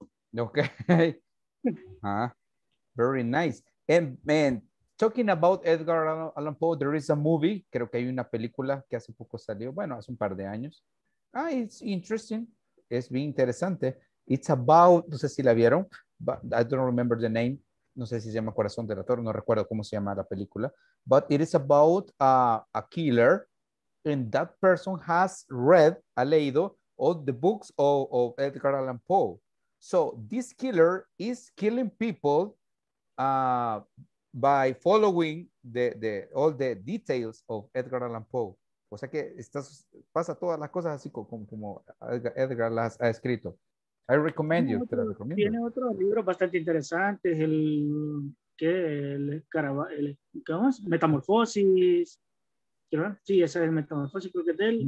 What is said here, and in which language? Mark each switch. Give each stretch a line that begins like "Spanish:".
English: Okay. Huh. Very nice. And man, talking about Edgar Allan Poe, there is a movie,
Spanish: creo que hay una película que hace poco salió, bueno, hace un par de años.
English: Ah, it's interesting.
Spanish: Es bien interesante.
English: It's about,
Spanish: no sé si la vieron,
English: but I don't remember the name.
Spanish: No sé si se llama Corazón del Ator, no recuerdo cómo se llama la película.
English: But it is about a killer. And that person has read,
Spanish: ha leído,
English: all the books of Edgar Allan Poe. So this killer is killing people by following the all the details of Edgar Allan Poe.
Spanish: O sea que pasa todas las cosas así como Edgar las ha escrito.
English: I recommend you.
Spanish: Tiene otro libro bastante interesante, es Metamorfosis. Sí, ese es el Metamorfosis, creo que es del...